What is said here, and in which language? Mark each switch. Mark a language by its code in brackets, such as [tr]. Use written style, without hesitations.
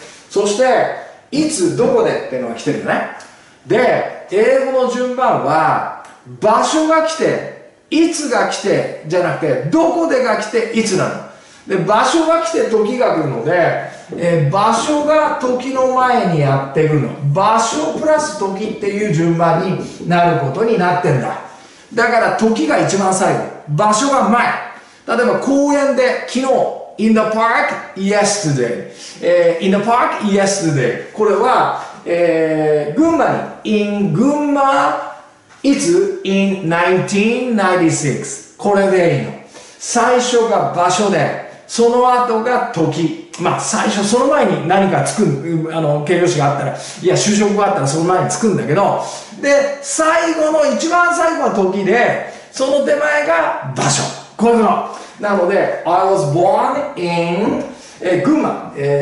[ja] そしていつどこでっていうのが来てるよね。で、英語の順番は、場所が来て、いつが来て、じゃなくて、どこでが来て、いつなの。で、場所が来て、時が来るので、場所が時の前にやってくるの。場所プラス時っていう順番になることになってんだ。だから、時が一番最後。場所が前。例えば、公園で、昨日、 [en] in the park, yesterday、 [ja] in the park, yesterday。これは、群馬に、in 群馬、いつ ?in 1996。これでいいの。最初が場所で、その後が時。まあ、最初、その前に何かつく、あの、形容詞があったら、いや、就職があったらその前につくんだけど、で、最後の、一番最後は時で、その手前が場所。こういうの。なので、 [en] I was born in 群馬。